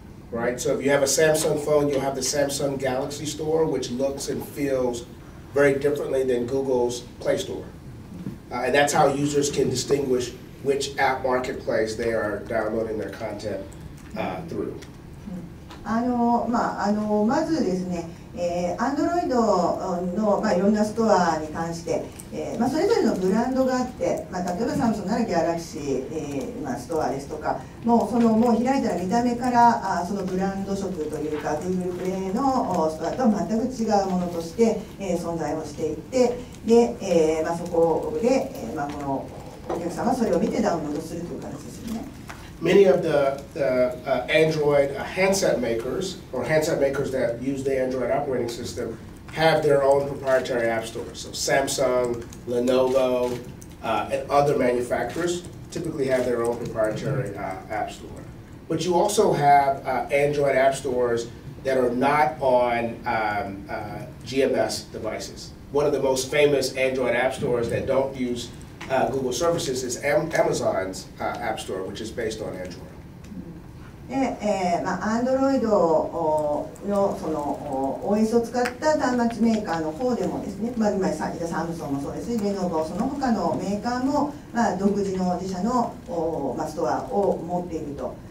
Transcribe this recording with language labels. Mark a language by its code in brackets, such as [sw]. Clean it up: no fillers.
[en] Right, so if you have a Samsung phone, you'll have the Samsung Galaxy Store, which looks and feels very differently than Google's Play Store. And that's how users can distinguish which app marketplace they are downloading their content through. [ja] まずですね、Android の、いろんなストアに関して、それぞれのブランドがあって、例えばサムソンならギャラクシー、ストアですとか、もう開いたら見た目からそのブランド色というか Google Play のストアとは全く違うものとして、存在をしていて、で、そこで、このお客様はそれを見てダウンロードするという形ですね。 [en] Many of the Android handset makers, or handset makers that use the Android operating system, have their own proprietary app stores. So Samsung, Lenovo, and other manufacturers typically have their own proprietary app store. But you also have Android app stores that are not on GMS devices. One of the most famous Android app stores that don't use Google Services is Amazon's App Store, which is based on Android. [ja] Android のその OS を使った端末メーカーの方でもですね、サムソンもそうですし、レノボ、その他のメーカーも独自の自社のストアを持っていると。